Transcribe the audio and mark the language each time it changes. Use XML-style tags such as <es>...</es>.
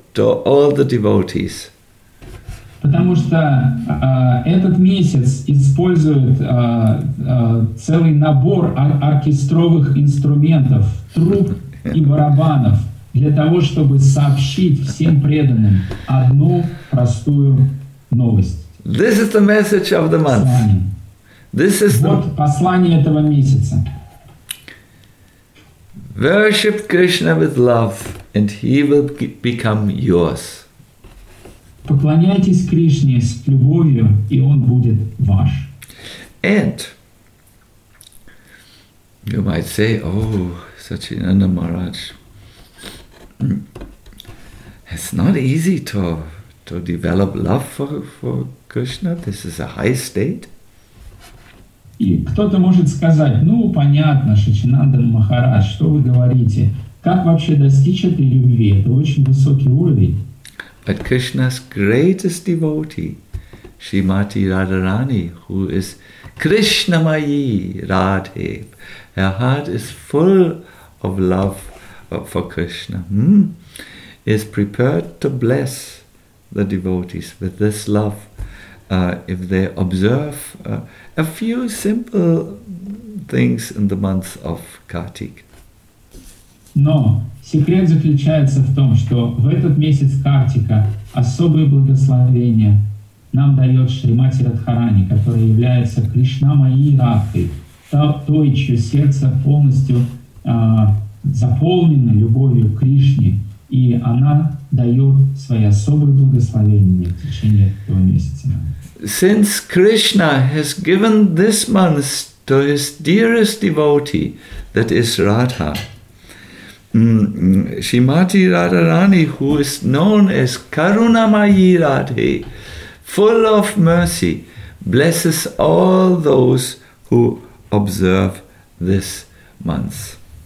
<en>to all the devotees.</en> <ru>Потому что этот месяц использует целый набор оркестровых инструментов, труб и барабанов для того, чтобы сообщить всем преданным одну простую новость.</ru> <en>This is the message of the month. This is</en> <ru>вот</ru> <en>the...</en> <ru>послание этого месяца.</ru> <en>Worship Krishna with love, and He will become yours.</en> <ru>Поклоняйтесь Кришне с любовью, и Он будет ваш.</ru> <en>And you might say, oh, Satchinanda Maharaj, it's not easy to develop love for Krishna. This is a high state.</en> <ru>И кто-то может сказать, ну, понятно, Шачинанда Махарадж, что вы говорите? Как вообще достичь этой любви? Это очень высокий уровень.</ru> <en>But Krishna's greatest devotee, Srimati Radharani, who is Krishnamayi Radhe, her heart is full of love for Krishna, is prepared to bless the devotees with this love if they observe a few simple things in the month of Kartik.</en> <ru>Но секрет заключается в том, что в этот месяц Картика особое благословение нам дает Шримати Радхарани, которая является Кришнамайи Радхой, той, чье сердце полностью заполнено любовью к Кришне, и она дает свои особые благословения в течение этого месяца.</ru> <en>Since Krishna has given this month to his dearest devotee, that is Radha, Srimati Radharani, who is known as Karunamayi Radhe, full of mercy, blesses all those who observe this month.</en>